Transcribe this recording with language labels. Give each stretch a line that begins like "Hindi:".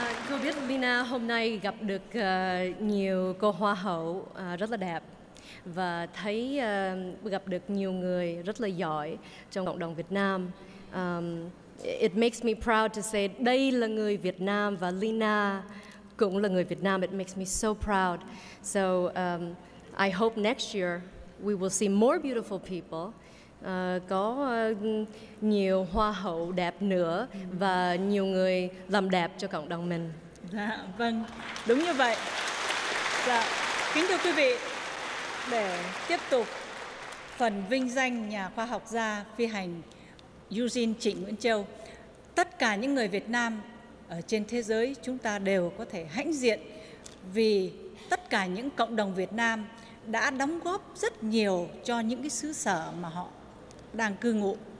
Vietnamese: Cô biết Lina hôm nay gặp được nhiều cô hoa hậu rất là đẹp và thấy gặp được nhiều người rất là giỏi trong cộng đồng Việt Nam.
English: It makes me proud to say
Vietnamese: đây là người Việt Nam và Lina cũng là người Việt Nam.
English: It makes me so proud. So I hope next year we will see more beautiful people
Vietnamese: có nhiều hoa hậu đẹp nữa và nhiều người làm đẹp cho cộng đồng mình. Dạ, vâng, đúng như vậy. Dạ, kính thưa quý vị, để tiếp tục phần vinh danh nhà khoa học gia phi hành Eugene Trịnh Nguyễn Châu, tất cả những người Việt Nam ở trên thế giới chúng ta đều có thể hãnh diện vì tất cả những cộng đồng Việt Nam đã đóng góp rất nhiều cho những cái xứ sở mà họ đang cư ngụ.